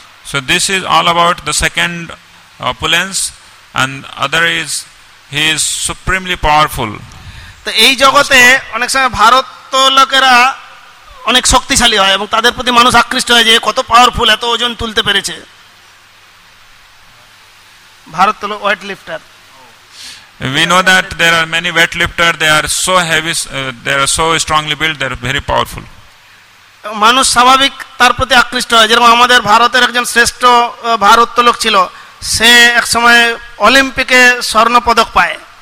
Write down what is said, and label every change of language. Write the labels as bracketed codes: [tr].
[en] So this is all about the second opulence and other is he is supremely powerful. [bn] তো এই জগতে অনেক সময় ভারত লোকেরা অনেক শক্তিশালী হয় এবং তাদের প্রতি মানুষ আকৃষ্ট হয় যে কত পাওয়ারফুল, এত ওজন তুলতে পেরেছে ভারত লোক, wait লিফটার. [en] We know that there are many weightlifters, they are so heavy, they are so strongly built, they are very powerful. [bn] মানুষ স্বাভাবিক তার প্রতি আকৃষ্ট হয়, যেরকম আমাদের ভারতের একজন শ্রেষ্ঠ ভারোত্তোলক ছিল, সে এক সময় অলিম্পিকে স্বর্ণপদক পায়.